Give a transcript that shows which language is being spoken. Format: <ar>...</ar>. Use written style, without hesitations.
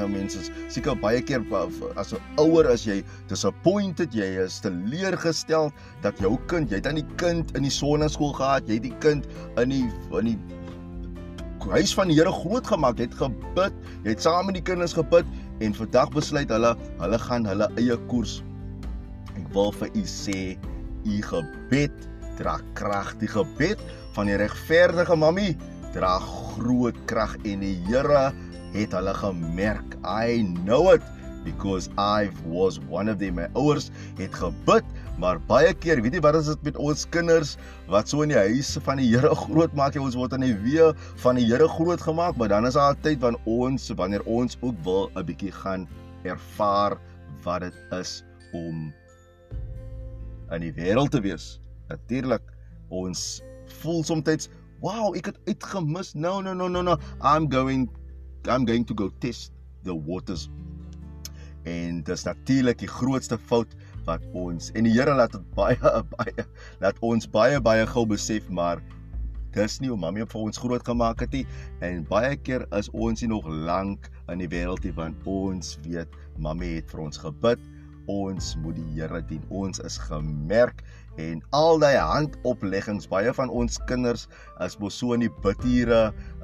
<af>Nou mense, seker baie keer as 'n ouer as jy disappointed, jy is teleurgestel dat jou kind, jy het dan die kind in die sonneskool gehad, jy het die kind in die huis van die Here groot gemaak, jy het gebid, jy het saam met die kinders gebid en vandag besluit hulle gaan hulle eie koers. Ek wil vir u sê, u gebed dra krag, die gebed van die regverdige mami dra groot krag, en die Here het hulle gemerk.</af> <en>I know it, because I was one of them.</en> <af>My ouers het gebid, maar baie keer, weet jy wat is dit met ons kinders, wat so in die huis van die Here groot maak, ons word in die wee van die Here groot gemaak, maar dan is daar 'n tyd wanneer ons ook wil 'n bietjie gaan ervaar wat dit is om in die wêreld te wees. Natuurlik, ons voel soms, wow, ek het uitgemis,</af> <en>no, I'm going to go test the waters.</en> <af>En dis natuurlik die grootste fout wat ons, en die Here laat het baie gou besef, maar dis nie hoe mami vir ons groot gemaak het nie, en baie keer is ons nie nog lank in die wêreld nie, want ons weet, mami het vir ons gebid, ons moet die Here dien, ons is gemerk, en al die handopleggings, baie van ons kinders is mos so in die bidure,</af>